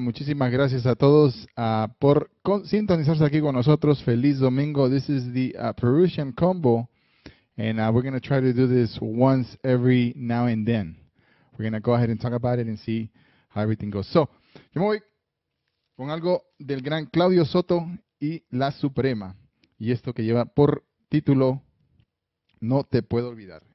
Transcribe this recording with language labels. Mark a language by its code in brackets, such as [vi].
[es] Muchísimas gracias a todos por sintonizarse aquí con nosotros. Feliz domingo. [en] This is the Peruvian combo, and we're going to try to do this once every now and then. We're going to go ahead and talk about it and see how everything goes. [es] So, yo me voy con algo del gran Claudio Soto y La Suprema. Y esto que lleva por título, No Te Puedo Olvidar.